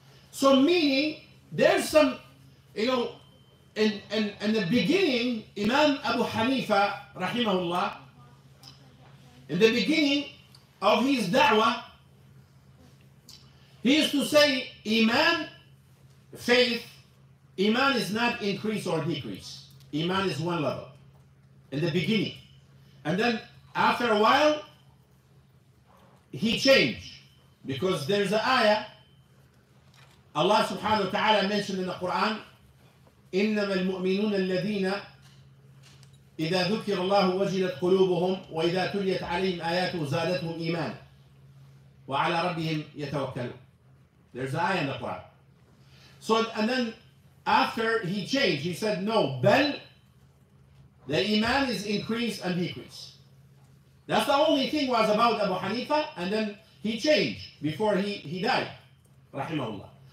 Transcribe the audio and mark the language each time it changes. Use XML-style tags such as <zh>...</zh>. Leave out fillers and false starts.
<en>So meaning, there's some, you know, in the beginning, Imam Abu Hanifa, rahimahullah, in the beginning of his da'wah, he used to say, Iman, faith, Iman is not increase or decrease. Iman is one level, in the beginning. And then after a while, he changed. Because there's an ayah, Allah subhanahu wa ta'ala mentioned in the Quran,</en> <ar>إِنَّمَا الْمُؤْمِنُونَ الَّذِينَ إِذَا ذُكِرَ اللَّهُ وَجِلَتْ قُلُوبُهُمْ وَإِذَا تُلِيَتْ عَلَيْهِمْ آيَاتُهُ زَادَتْهُمْ إِيمَانًا وَعَلَى رَبِّهِمْ يَتَوَكَّلُونَ.</ar> <en>There's an ayah in the Quran. So, and then, after he changed, he said, no, bel, the iman is increase and decrease. That's the only thing was about Abu Hanifa, and then he changed before he died, rahimahullah.</en>